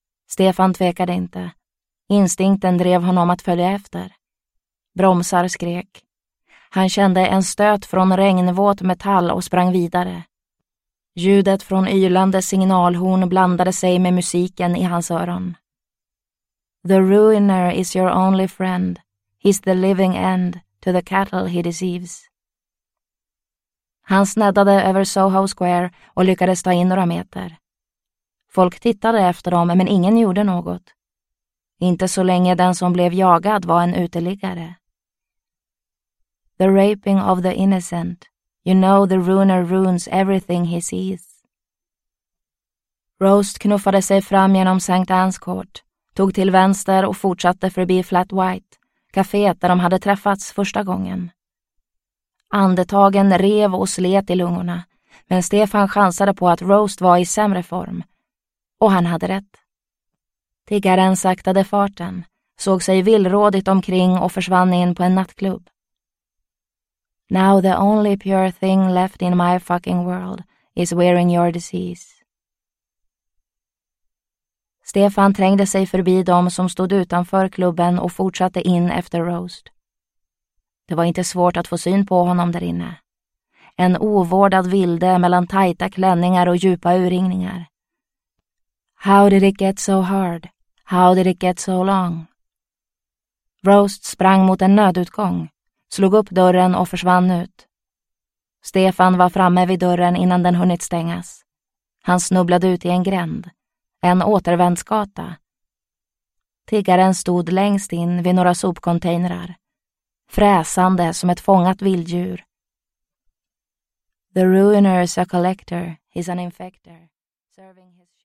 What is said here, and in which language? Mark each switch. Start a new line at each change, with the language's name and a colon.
Swedish: Stefan tvekade inte. Instinkten drev honom att följa efter. Bromsar skrek. Han kände en stöt från regnvåt metall och sprang vidare. Ljudet från ylande signalhorn blandade sig med musiken i hans öron.
English: The ruiner is your only friend. He's the living end to the cattle he deceives.
Swedish: Han sneddade över Soho Square och lyckades ta in några meter. Folk tittade efter dem, men ingen gjorde något. Inte så länge den som blev jagad var en uteliggare.
English: The raping of the innocent. You know the ruiner ruins everything he sees.
Swedish: Roast knuffade sig fram genom St. Anne's Court, tog till vänster och fortsatte förbi Flat White, kaféet där de hade träffats första gången. Andetagen rev och slet i lungorna, men Stefan chansade på att Roast var i sämre form. Och han hade rätt. Tiggaren saktade farten, såg sig villrådigt omkring och försvann in på en nattklubb.
English: Now the only pure thing left in my fucking world is wearing your disease.
Swedish: Stefan trängde sig förbi dem som stod utanför klubben och fortsatte in efter Roast. Det var inte svårt att få syn på honom där inne. En ovårdad vilde mellan tajta klänningar och djupa urringningar.
English: How did it get so hard? How did it get so long?
Swedish: Roast sprang mot en nödutgång, slog upp dörren och försvann ut. Stefan var framme vid dörren innan den hunnit stängas. Han snubblade ut i en gränd, en återvändsgata. Tiggaren stod längst in vid några sopcontainrar, fräsande som ett fångat vilddjur.
English: The ruiner is a collector, he's an infector, serving his